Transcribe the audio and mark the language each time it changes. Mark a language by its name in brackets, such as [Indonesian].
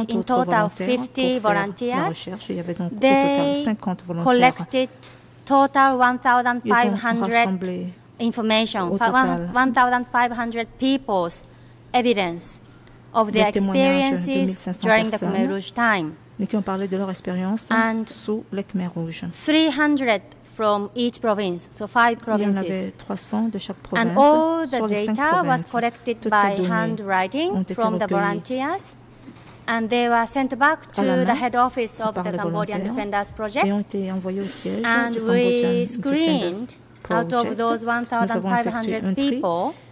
[English] In total, 50 volunteers. They collected total 1,500 information, 1,500 people's evidence of their experiences during the Khmer Rouge time. [French] Qui ont parlé de leur expérience sous les Khmer Rouges. [English] 300 from each province, so five provinces. [French] Il y en avait 300 de chaque province. [English] And all the data was collected by handwriting from the volunteers, and they were sent back to the head office of the Cambodian Defenders Project. [French] Et ont été envoyés au siège [English] and [French] du [English] we screened out of those 1,500 people.